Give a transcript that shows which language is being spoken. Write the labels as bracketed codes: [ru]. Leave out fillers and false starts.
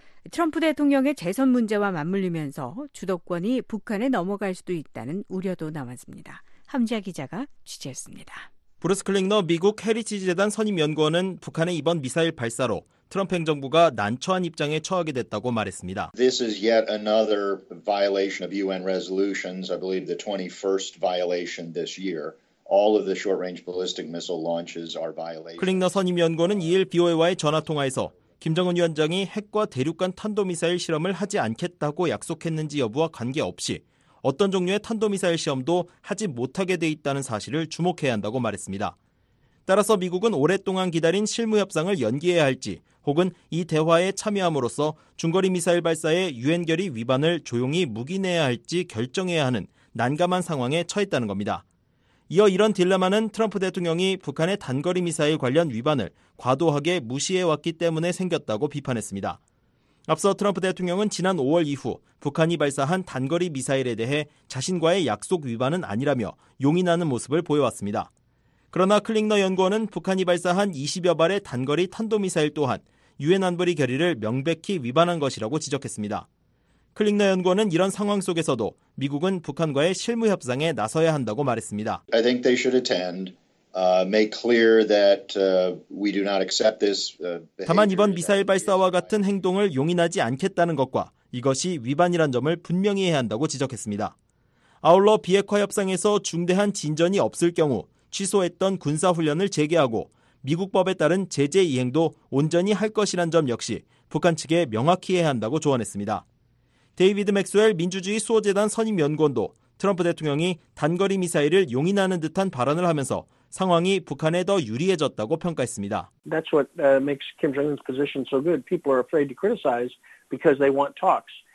[ko] 트럼프 대통령의 재선 문제와 맞물리면서 주도권이 북한에 넘어갈 수도 있다는 우려도 나왔습니다. 함지아 기자가 취재했습니다. 브루스 클링너 미국 헤리티지 재단 선임 연구원은 북한의 이번 미사일 발사로 트럼프 행정부가 난처한 입장에 처하게 됐다고 말했습니다. [en] This is yet another violation of UN resolutions. I believe the 21st violation this year. All of the short-range ballistic missile launches are violations. [ko] 클링너 선임 연구원은 2일 BOA와의 전화 통화에서 김정은 위원장이 핵과 대륙간 탄도미사일 실험을 하지 않겠다고 약속했는지 여부와 관계없이 어떤 종류의 탄도미사일 시험도 하지 못하게 돼 있다는 사실을 주목해야 한다고 말했습니다. 따라서 미국은 오랫동안 기다린 실무협상을 연기해야 할지 혹은 이 대화에 참여함으로써 중거리 미사일 발사의 유엔 결의 위반을 조용히 묵인해야 할지 결정해야 하는 난감한 상황에 처했다는 겁니다. 이어 이런 딜레마는 트럼프 대통령이 북한의 단거리 미사일 관련 위반을 과도하게 무시해왔기 때문에 생겼다고 비판했습니다. 앞서 트럼프 대통령은 지난 5월 이후 북한이 발사한 단거리 미사일에 대해 자신과의 약속 위반은 아니라며 용인하는 모습을 보여왔습니다. 그러나 클링너 연구원은 북한이 발사한 20여 발의 단거리 탄도미사일 또한 유엔 안보리 결의를 명백히 위반한 것이라고 지적했습니다. 클링너 연구원은 이런 상황 속에서도 미국은 북한과의 실무 협상에 나서야 한다고 말했습니다. [en] I think they should attend. Make clear that we do not accept this. [ko] 다만 이번 미사일 발사와 같은 행동을 용인하지 않겠다는 것과 이것이 위반이란 점을 분명히 해야 한다고 지적했습니다. 아울러 비핵화 협상에서 중대한 진전이 없을 경우 취소했던 군사훈련을 재개하고 미국법에 따른 제재 이행도 온전히 할 것이란 점 역시 북한 측에 명확히 해야 한다고 조언했습니다. 데이비드 맥스웰 민주주의 수호재단 선임 연구원도 트럼프 대통령이 단거리 미사일을 용인하는 듯한 발언을 하면서 상황이 북한에 더 유리해졌다고 평가했습니다. [en] That's what makes Kim Jong-un's position so good. People are afraid to criticize because they want talks.